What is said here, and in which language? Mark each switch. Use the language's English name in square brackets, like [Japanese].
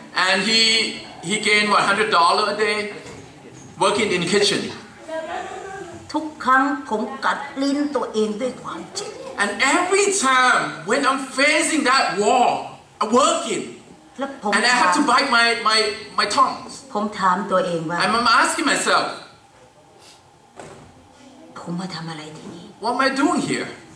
[English] and he gained $100 a day working in kitchen [Thai] ทุกครั้งผมกัดลิ้นตัวเองด้วยความเจ็บ [English] and every time when I'm facing that wall I'm workingAnd I have to bite my tongue. [Thai] ผมถามตัวเองว่า [English] I'm asking myself. [Thai] ผมมาทำอะไรที่นี่ [English] What am I doing here?